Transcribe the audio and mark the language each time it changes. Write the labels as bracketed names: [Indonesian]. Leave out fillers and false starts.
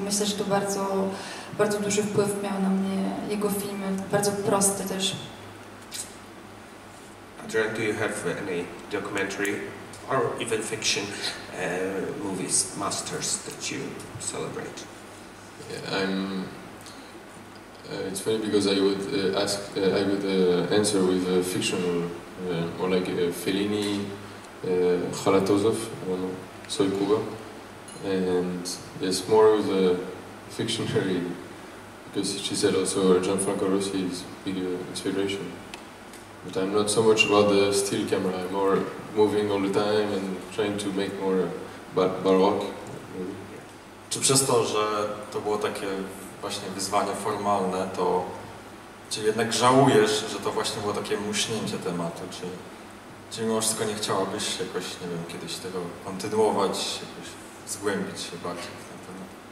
[Polish] Myślę, że to bardzo, bardzo duży wpływ miał na mnie jego filmy, bardzo proste też. [English] Adrian, do you have any documentary or even fiction movies, masters that you celebrate? Yeah, it's funny because I would ask, I would answer with a fiction, more like Fellini, Khalatozov, Soy Kuba. And it's more of a fictionary, because she said also Gianfranco Rosi is big inspiration. But I'm not so much about the still camera, I'm more moving all the time and trying to make more baroque. [Polish] Czy przez to, że to było takie właśnie wyzwanie formalne, to czy jednak żałujesz, że to właśnie było takie muśnięcie tematu? Czy mimo wszystko nie chciałabyś jakoś, nie wiem, kiedyś tego kontynuować? Jakoś? Zgłębić się bardziej w ten temat.